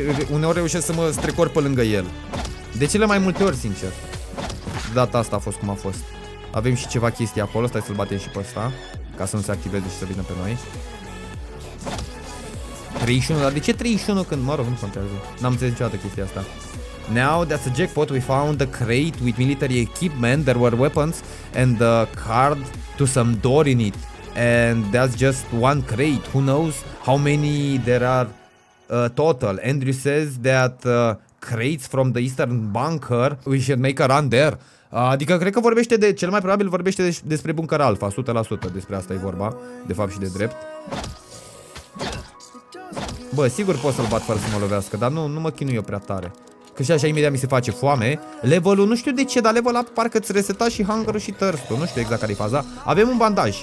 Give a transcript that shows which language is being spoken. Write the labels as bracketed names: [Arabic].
[Romanian] Uneori reușesc să mă strecor pe lângă el. De cele mai multe ori, sincer. Data asta a fost cum a fost. Avem și ceva chestii acolo. Stai să-l batem și pe ăsta, ca să nu se activeze și să vină pe noi. 31, dar de ce 31 când, mă rog, nu contează. N-am înțeles niciodată chestia asta. [English] Now, that's a jackpot, we found the crate with military equipment, there were weapons and a card to some door in it. And that's just one crate, who knows how many there are total. Andrew says that crates from the Eastern Bunker, we should make a run there. [Romanian] Adică cred că vorbește de, cel mai probabil vorbește despre Bunker Alpha, 100%, despre asta e vorba, de fapt și de drept. Bă, sigur pot să-l bat fără să mă lovească, dar nu mă chinui eu prea tare. Că și așa imediat mi se face foame. Levelul, nu știu de ce, dar level up parcă ți reseta și hunger-ul și thirst-ul. Nu știu exact care e faza. Avem un bandaj.